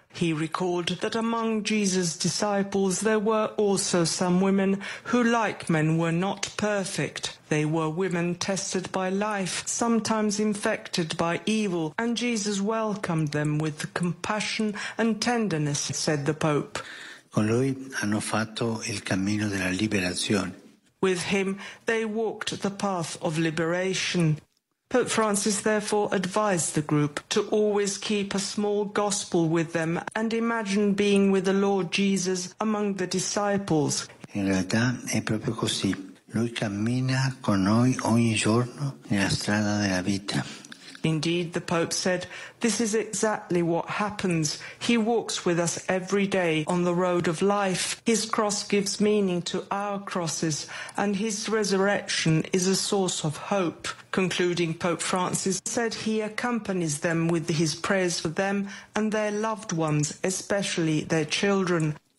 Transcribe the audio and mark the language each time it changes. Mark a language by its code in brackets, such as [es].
[en] He recalled that among Jesus' disciples there were also some women who, like men, were not perfect. They were women tested by life, sometimes infected by evil, and Jesus welcomed them with compassion and tenderness, said the Pope. [it] Con lui hanno fatto il cammino della liberazione. [en] With him, they walked the path of liberation. Pope Francis therefore advised the group to always keep a small gospel with them and imagine being with the Lord Jesus among the disciples. [it] In realtà è proprio così. Lui cammina con noi ogni giorno nella strada della vita. [en] Indeed, the Pope said, this is exactly what happens. He walks with us every day on the road of life. His cross gives meaning to our crosses, and his resurrection is a source of hope. Concluding, Pope Francis said he accompanies them with his prayers for them and their loved ones, especially their children.